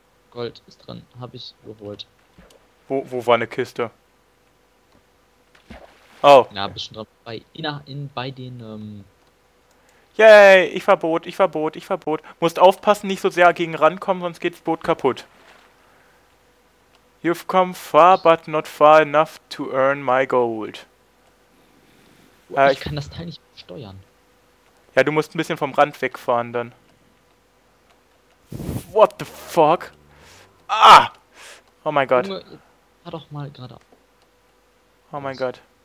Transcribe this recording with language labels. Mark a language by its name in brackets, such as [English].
[German] Gold ist drin. Habe ich geholt. Wo war eine Kiste? Oh. Na, bist schon dran. Bei den, Yay, ich verbot, ich verbot, ich verbot. Musst aufpassen, nicht so sehr gegen rankommen, sonst geht's Boot kaputt. [English] You've come far, but not far enough to earn my gold. [German] Ich kann das Teil nicht steuern. Ja, du musst ein bisschen vom Rand wegfahren dann. [English] What the fuck? Ah! [German] Oh mein Gott. Junge, fahr doch mal gerade auf. Oh mein Los. Gott.